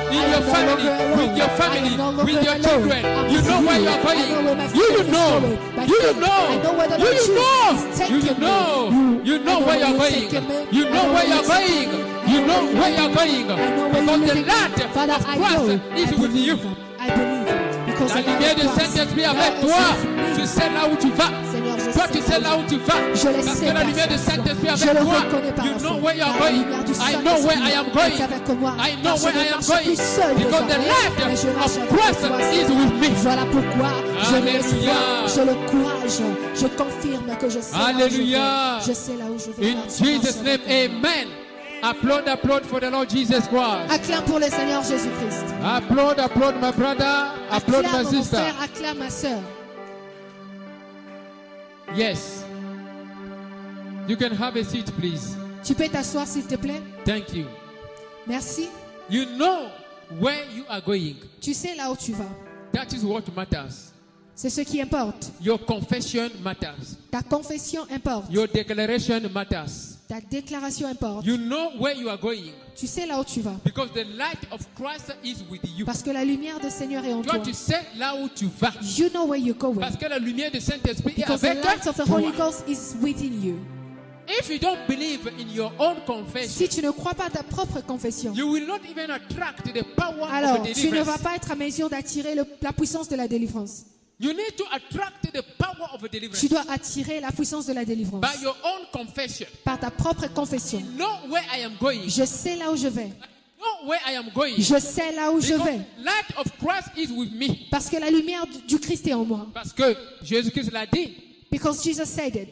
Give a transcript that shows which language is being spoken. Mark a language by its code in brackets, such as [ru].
[en] In your family, with your family, with your children. You know where you are going. You know. You know. You know. You know. You know where you are going. You know where you are going. You know where you are going. Because the light of Christ is with you. I believe. [fr] La lumière du Saint-Esprit avec toi, tu sais là où tu vas. Toi, tu sais là où tu vas. Parce que la lumière du Saint-Esprit avec toi, [en] you know where you are going. I know where I am going. I know where I am going. Because the light of Christ is with me. [fr] Voilà pourquoi je le courage. Je confirme que je sais là où je vais. [en] In Jesus' name, amen. Applaud, applaud for the Lord Jesus Christ. [fr] Acclame pour le Seigneur Jésus Christ. [en] Applaud, applaud my brother. Applaud [fr] acclame [en] my sister. [fr] Acclame ma sœur. [en] Yes. You can have a seat, please. [fr] Tu peux t'asseoir, s'il te plaît. [en] Thank you. [fr] Merci. [en] You know where you are going. [fr] Tu sais là où tu vas. [en] That is what matters. [fr] C'est ce qui importe. [en] Your confession matters. [fr] Ta confession importe. [en] Your declaration matters. [fr] Ta déclaration importe. [en] You know where you are going. [fr] Tu sais là où tu vas. [en] Because the light of Christ is with you. [fr] Parce que la lumière du Seigneur est en toi. Tu sais là où tu vas. [en] You know where you're going. [fr] Parce que la lumière du Saint-Esprit est avec toi. [en] Because the light of the Holy Ghost is within you. If you don't believe in your own confession, [fr] si tu ne crois pas ta propre confession, [en] you will not even attract the power of the deliverance. [fr] Alors, tu ne vas pas être à mesure d'attirer la puissance de la délivrance. [en] You need to attract the power of the deliverance. [fr] Tu dois attirer la puissance de la délivrance. [en] By your own confession. [fr] Par ta propre confession. [en] I know where I am going. [fr] Je sais là où je vais. [en] I know where I am going. [fr] Je sais là où [en] because [fr] je vais. [en] Light of Christ is with me. [fr] Parce que la lumière du Christ est en moi. Parce que Jésus-Christ l'a dit. [en] Because Jesus said it.